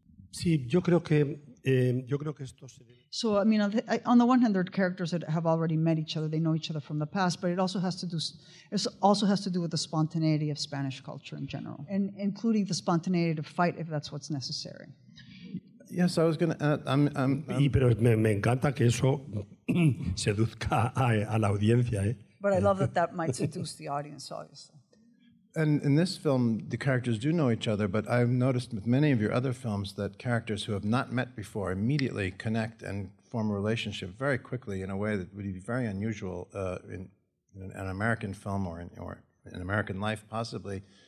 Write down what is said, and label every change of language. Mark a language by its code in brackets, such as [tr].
[es] Sí, yo creo que esto se... [en] So, I mean, on the one hand, there are characters that have already met each other. They know each other from the past, but it also has to do with the spontaneity of Spanish culture in general, and including the spontaneity to fight if that's what's necessary. Yes, I was going to add... [es] Pero me encanta que eso seduzca a la audiencia, ¿eh? [en] But I love that might seduce the audience, obviously. And in this film, the characters do know each other, but I've noticed with many of your other films that characters who have not met before immediately connect and form a relationship very quickly in a way that would be very unusual in an American film or in American life, possibly.